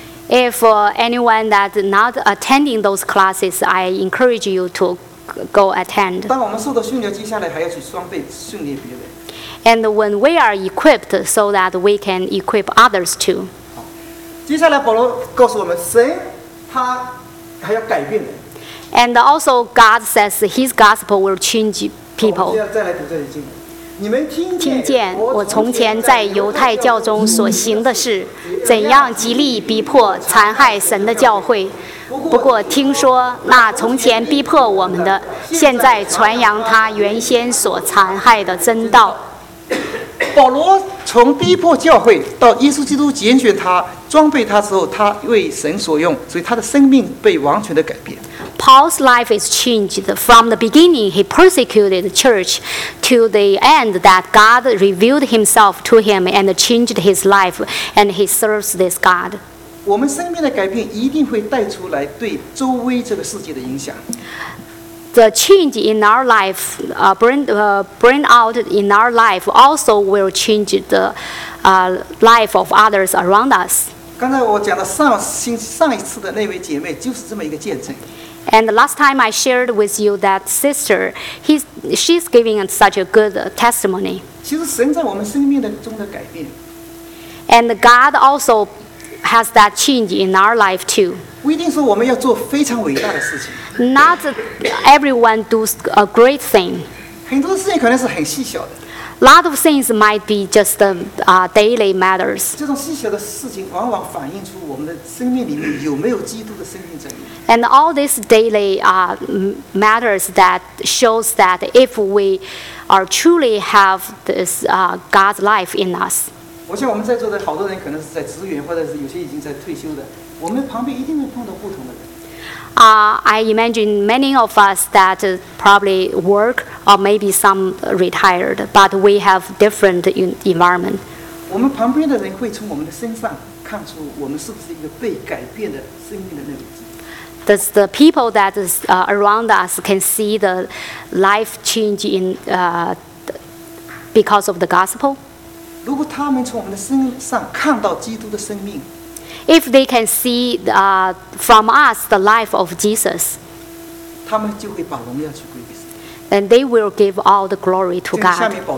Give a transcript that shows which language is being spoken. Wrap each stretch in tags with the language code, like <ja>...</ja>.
<en>If anyone that not attending those classes, I encourage you to go attend. And when we are equipped, so that we can equip others too.</en> <zh>接下来保罗告诉我们神他还要改变人。</zh> <en>And also God says his gospel will change people.</en> <zh>我们再来读这些经文。你们听见我从前在犹太教中所行的事，怎样极力逼迫残害神的教会。不过听说那从前逼迫我们的，现在传扬他原先所残害的真道。保罗从逼迫教会到耶稣基督拣选他装备他之后，他为神所用，所以他的生命被完全的改变。</zh> <en>Paul's life is changed from the beginning. He persecuted the church to the end that God revealed himself to him and changed his life, and he serves this God.</en> <zh>我们生命的改变一定会带出来对周围这个世界的影响。</zh> <en>The change in our life, bring out in our life, also will change the life of others around us.</en> <zh>刚才我讲的上一次的那位姐妹就是这么一个见证。</zh> <en>And the last time I shared with you that sister, she's giving such a good testimony.</en> <zh>其实神在我们生命中的改变。</zh> <en>And God also has that change in our life too.</en> <zh>不一定说我们要做非常伟大的事情。</zh> <en>Not everyone does a great thing.</en> <zh>很多事情可能是很细小的。</zh> <en>Lot of things might be just daily matters.</en> <zh>这种细小的事情往往反映出我们的生命里面有没有基督的生命在里面。</zh> <en>And all these daily matters that shows that if we are truly have this God's life in us.</en> <zh>我想我们在座的好多人可能是在职员，或者是有些已经在退休的，我们旁边一定会碰到不同的人。</zh> <en>I imagine many of us that probably work or maybe some retired, but we have different environment.</en> <zh>我们旁边的人会从我们的身上看出我们是不是一个被改变的生命的那个。</zh> <en>Does the people that is around us can see the life change in because of the gospel?</en> <zh>如果他们从我们的身上看到基督的生命。</zh> <en>If they can see from us the life of Jesus, then they will give all the glory to God.</en>